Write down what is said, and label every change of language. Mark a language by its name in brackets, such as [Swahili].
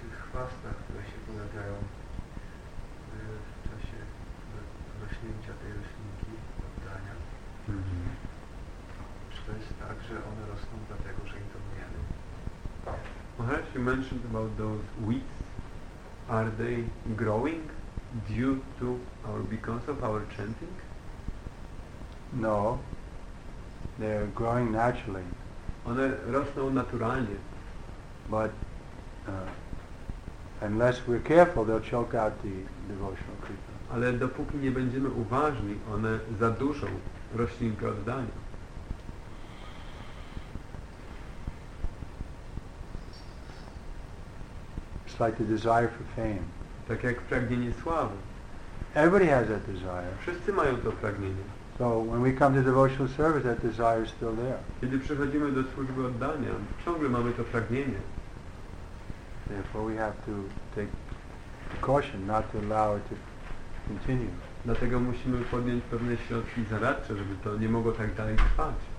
[Polish] Chwastach, które się pojawiają w czasie rośnięcia tej roślinki, oddania. Czy to jest tak, że one rosną dlatego, że intonujemy? [English] Perhaps you mentioned about those weeds. are they growing due to or because of our chanting? No, they are growing naturally. [Polish] One rosną naturalnie. [English] But unless we're careful, they'll choke out the devotional kirtan. [Polish] Ale dopóki nie będziemy uważni, one zaduszą roślinkę oddania. [English] It's like the desire for fame. [Polish] Tak jak pragnienie sławy. [English] Everybody has that desire. [Polish] Wszyscy mają to pragnienie. [English] So when we come to devotional service, that desire is still there. [Polish] Kiedy przychodzimy do służby oddania, ciągle mamy to pragnienie. [English] Therefore we have to take caution not to allow it to continue. [Polish] Dlatego musimy podjąć pewne środki zaradcze, żeby to nie mogło tak dalej trwać.